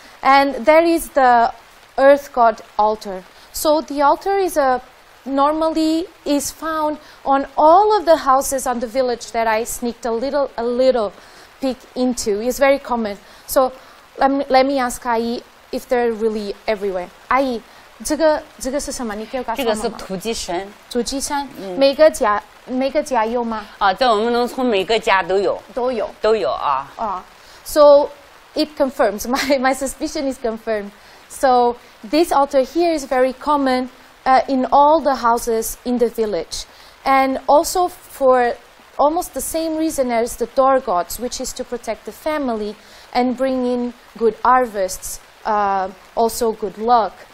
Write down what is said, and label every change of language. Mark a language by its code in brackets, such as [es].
[en] And there is the earth god altar. So the altar is a normally is found on all of the houses on the village that I sneaked a little peek into. It's very common. So Let me ask 阿姨 if they're really everywhere. [zh] 阿姨, 这个是什么？你可以告诉我吗？这个是土鸡身。土鸡身，每个家有吗？啊，在我们农村每个家都有。都有。都有啊。 [en] So it confirms, my suspicion is confirmed. So this altar here is very common in all the houses in the village. And also for almost the same reason as the door gods, which is to protect the family and bring in good harvests, also good luck.